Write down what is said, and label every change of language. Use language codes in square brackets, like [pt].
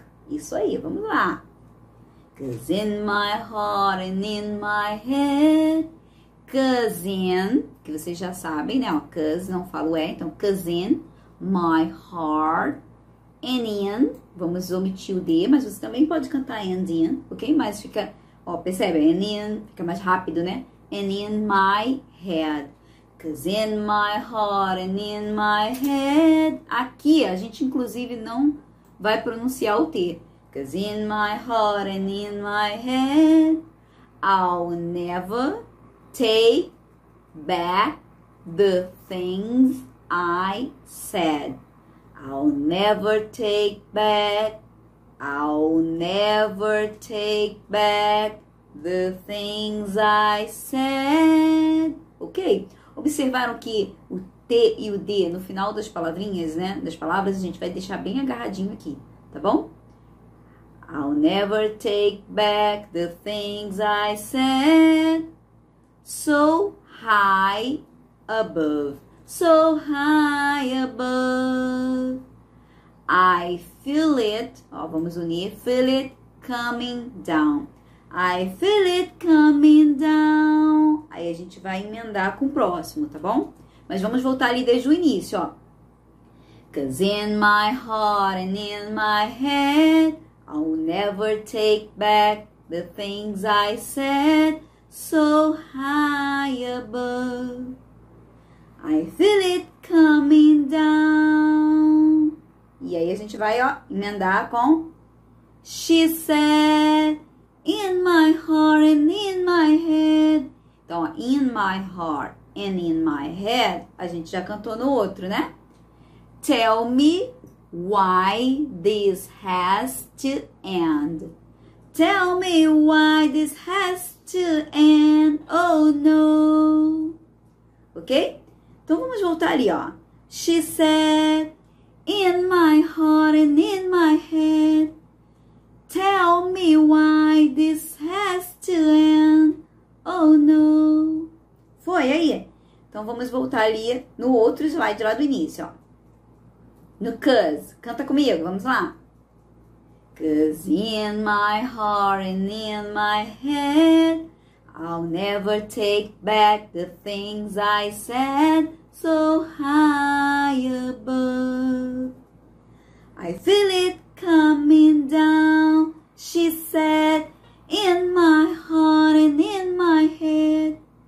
[pt] Isso aí, vamos lá. [en] 'Cause in my heart and in my head. 'Cause in, [pt] que vocês já sabem, né? 'Cause, não falo é. Então, [en] 'cause in my heart and in. [pt] Vamos omitir o D, mas você também pode cantar [en] and in, [pt] ok? Mas fica Ó, percebe? [en] And in, [pt] fica mais rápido, né? [en] And in my head. Cause in my heart and in my head. [pt] Aqui a gente inclusive não vai pronunciar o T. [en] Cause in my heart and in my head, I'll never take back the things I said. I'll never take back. I'll never take back the things I said. [pt] Ok? Observaram que o T e o D no final das palavrinhas, né? Das palavras, a gente vai deixar bem agarradinho aqui, tá bom? [en] I'll never take back the things I said. So high above. So high above. I feel it. [pt] Ó, vamos unir. [en] Feel it coming down. I feel it coming down. [pt] Aí a gente vai emendar com o próximo, tá bom? Mas vamos voltar ali desde o início, ó. [en] Cause in my heart and in my head, I'll never take back the things I said so high above. I feel it coming down. [pt] E aí a gente vai, ó, emendar com [en] She said, in my heart and in my head. [pt] Então, ó, [en] in my heart and in my head, [pt] a gente já cantou no outro, né? [en] Tell me why this has to end. Tell me why this has to end. Oh no. Ok? [pt] Então vamos voltar ali, ó. [en] She said, in my heart and in my head. Tell me why this has to end. [pt] Oh no. Foi aí. Então vamos voltar ali no outro slide lá do início, ó. No cuz, canta comigo, vamos lá. [en] Cuz in my heart and in my head, I'll never take back the things I said so high above. I feel it coming down, she said, in my heart and in my head.